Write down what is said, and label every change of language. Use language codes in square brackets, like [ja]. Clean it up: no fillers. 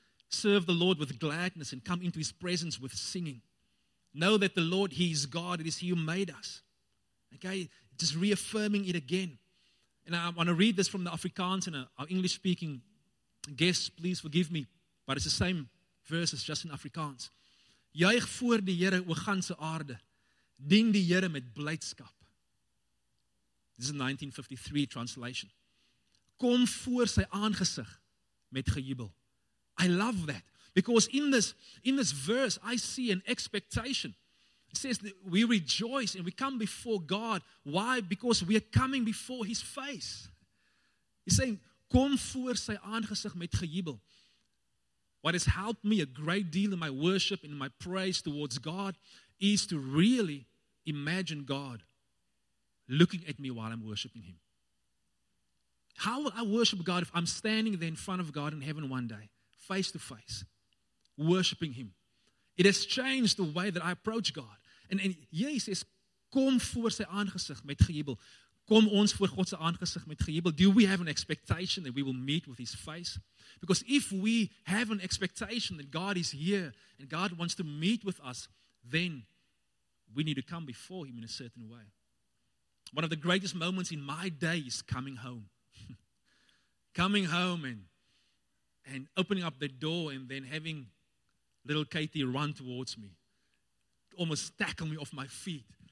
[en] Serve the Lord with gladness and come into his presence with singing. Know that the Lord, he is God. It is he who made us. Okay, just reaffirming it again. And I want to read this from the Afrikaans and our English-speaking guests. Please forgive me, but it's the same verse as just in Afrikaans. [af] Juig voor die Here, o ganse aarde. Dien die Here met blydskap. [en] This is a 1953 translation. [af] Kom voor sy aangesig met gejubel. [en] I love that. Because in this verse, I see an expectation. It says that we rejoice and we come before God. Why? Because we are coming before his face. He's saying, [af] kom voor sy aangesig met gejubel. [en] What has helped me a great deal in my worship, in my praise towards God, is to really imagine God looking at me while I'm worshiping him. How will I worship God if I'm standing there in front of God in heaven one day, face to face, worshiping him? It has changed the way that I approach God. And here he says, [af] kom voor sy aangesig met gejubel. Kom ons voor God sy aangesig met gejubel. [en] Do we have an expectation that we will meet with his face? Because if we have an expectation that God is here and God wants to meet with us, then we need to come before him in a certain way. One of the greatest moments in my day is coming home. Coming home and opening up the door and then having little Katie run towards me, almost tackle me off my feet.